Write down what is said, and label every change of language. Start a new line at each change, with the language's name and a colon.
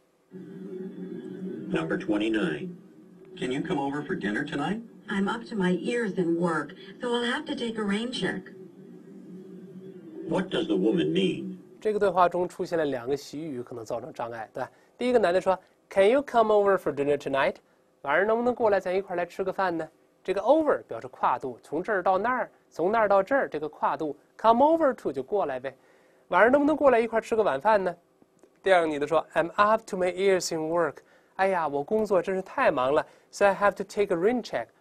English: Number 29. Can you come over for dinner tonight? I'm up to my ears in work, so I'll have to take a rain check. What does the woman mean?
Chinese: 这个对话中出现了两个习语可能造成障碍，对吧？第一个男的说
English: Can you come over for dinner tonight?
Chinese: 晚上能不能过来咱一块来吃个饭呢？这个 over 表示跨度，从这儿到那儿，从那儿到这儿，这个跨度 come over to 就过来呗。晚上能不能过来一块吃个晚饭呢？第二个女的说
English: I'm up to my ears in work.
Chinese: 哎呀，我工作真是太忙了
English: ，so I have to take a rain check.